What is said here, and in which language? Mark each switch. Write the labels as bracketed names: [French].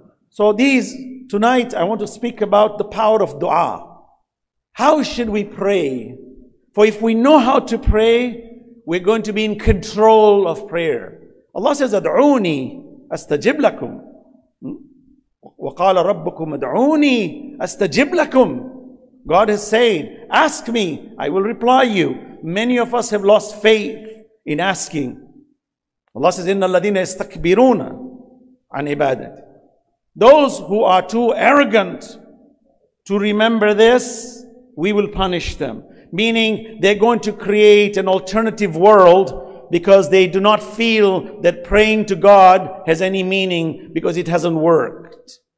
[English] So these, tonight I want to speak about the power of dua. How should we pray? For if we know how to pray, we're going to be in control of prayer. Allah says, [Arabic] أَدْعُونِي أَسْتَجِبْ لَكُمْ وَقَالَ رَبُّكُمْ أَدْعُونِي أَسْتَجِبْ لَكُمْ. [English] God has said, ask me, I will reply you. Many of us have lost faith in asking. Allah says, [Arabic] إِنَّ الَّذِينَ يَسْتَكْبِرُونَ عَنْ عِبَادَةِ. [English] Those who are too arrogant to remember this, we will punish them. Meaning, they're going to create an alternative world because they do not feel that praying to God has any meaning because it hasn't worked.